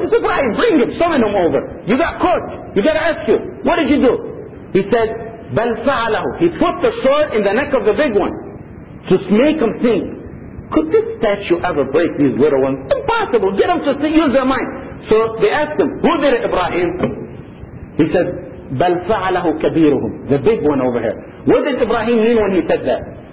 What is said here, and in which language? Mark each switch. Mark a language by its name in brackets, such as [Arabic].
[English] It's Ibrahim, bring him, summon him over. You got caught, you got to ask you, what did you do? He said, [Arabic] بَلْ فَعَلَهُ. [English] He put the sword in the neck of the big one, to make him think, could this statue ever break these little ones? Impossible, get them to use their mind. So they asked him, who did it, Ibrahim? He said, [Arabic] بَلْ فَعَلَهُ كَبِيرُهُمْ. [English] The big one over here. What did Ibrahim mean when he said that?